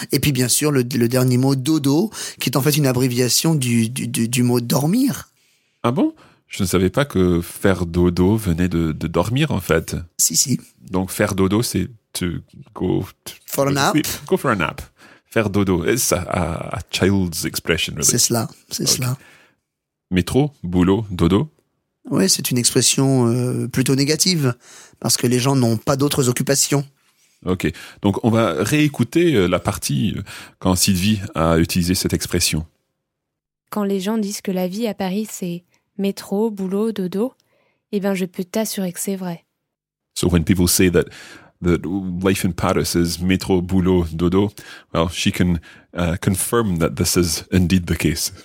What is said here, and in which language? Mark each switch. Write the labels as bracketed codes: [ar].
[fr] Et puis bien sûr, le dernier mot, dodo, qui est en fait une abréviation du mot dormir. Ah bon? Je ne savais pas que faire dodo venait de dormir, en fait. Si, si. Donc faire dodo, c'est [en] go for a nap. Faire dodo, it's a child's expression, really. [fr] C'est cela, c'est cela. Métro, boulot, dodo? Oui, c'est une expression plutôt négative, parce que les gens n'ont pas d'autres occupations. Ok, donc on va réécouter la partie quand Sylvie a utilisé cette expression. Quand les gens disent que la vie à Paris c'est métro, boulot, dodo, eh bien je peux t'assurer que c'est vrai. [en] So when people say that life in Paris is [fr] métro, boulot, dodo, [en] well she can confirm that this is indeed the case.